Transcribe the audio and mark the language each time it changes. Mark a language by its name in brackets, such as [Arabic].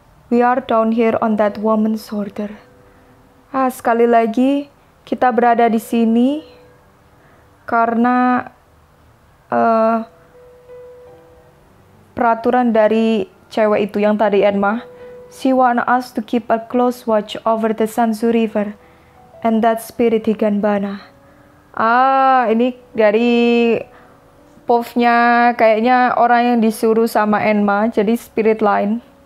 [English] We are down here on that woman's shoulder. [Indonesian] Ah, sekali lagi, kita berada di sini. Karena peraturan dari cewek itu yang tadi, Enma. [English] She want us to keep a close watch over the Sanzu River and that spirit Higanbana. [Indonesian] Ah, ini dari Puff-nya, kayaknya orang yang disuruh sama Enma, jadi spirit lain.